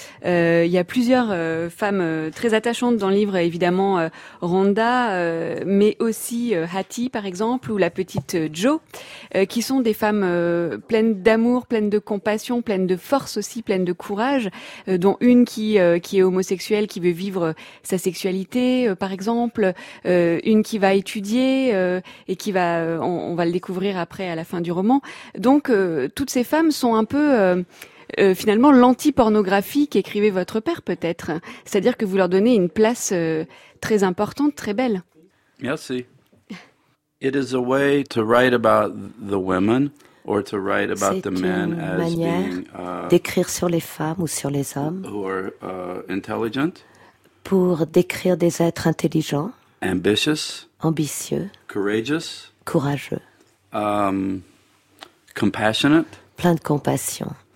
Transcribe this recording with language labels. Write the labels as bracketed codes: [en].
[fr] Il y a plusieurs femmes très attachantes dans le livre, évidemment Rhonda, mais aussi Hattie, par exemple, ou la petite Jo, qui sont des femmes pleines d'amour, pleines de compassion, pleines de force aussi, pleines de courage, dont une qui est homosexuelle, qui veut vivre sa sexualité, par exemple, une qui va étudier et qui va on va le découvrir après à la fin du roman. Donc, toutes ces femmes sont un peu, finalement, l'anti-pornographie qu'écrivait votre père, peut-être. C'est-à-dire que vous leur donnez une place très importante, très belle. Merci. [en] It is a way to write about the women or to write about the men as [fr] being. C'est une manière d'écrire sur les femmes ou sur les hommes. [en] Who are intelligent. [fr] Pour décrire des êtres intelligents. [en] Ambitious. [fr] Ambitieux. [en] Courageous. [fr] Courageux. [en] Compassionate. [fr] Plein de compassion.